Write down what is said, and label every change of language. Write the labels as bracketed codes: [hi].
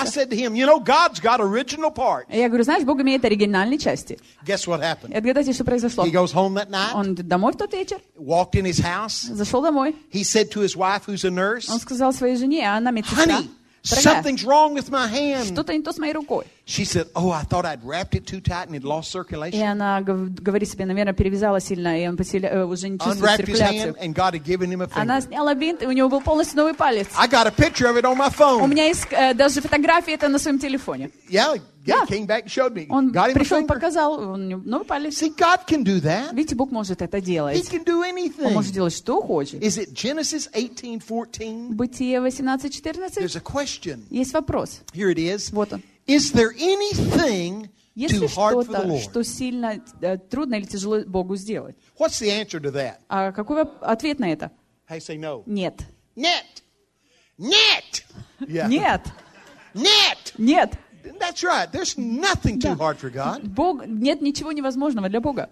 [en] I said to him, "You know, God's got original parts." [ru] Я говорю, знаешь, Бог имеет оригинальные части. [en] Guess what happened? [ru] Отгадайте, что произошло. [en] He goes home that night. [ru] Он домой в тот вечер. [en] Walked in his house. [ru] Зашел домой. [en] He said to his wife, who's a nurse. [ru] Он сказал своей жене, а она медсестра. [en] Honey, something's wrong with my hand. [ru] Что-то не то с моей рукой. [en] She said, "Oh, I thought I'd wrapped it too tight and it lost circulation." [ru] И она говорит себе, наверное, перевязала сильно, и он уже не чувствует циркуляцию. [en] Unwrapped his hand and God had given him a finger. [ru] Она сняла бинт, и у него был полностью новый палец. [en] I got a picture of it on my phone. [ru] У меня есть даже фотография это на своем телефоне. [en] Yeah, came back and showed me. [ru] Он пришел, показал, у него новый палец. [en] See, God can do that. [ru] Видите, Бог может это делать. [en] He can do anything. [ru] Он может делать что хочет. [en] Is it Genesis 18:14? [ru] Бытие 18:14. [en] There's a question. [ru] Есть вопрос. [en] Here it is. [ru] Вот он. [en] Is there anything too hard for the Lord? [ru] Что сильно трудно или тяжело Богу сделать? [en] What's the answer to that? [ru] А какой ответ на это? [en] Hey, say no. [ru] Нет. Нет. Нет. [en] Yeah. [ru] Нет. Нет. Нет. [en] That's right. There's nothing too hard for God. [ru] Бог, нет ничего невозможного для Бога.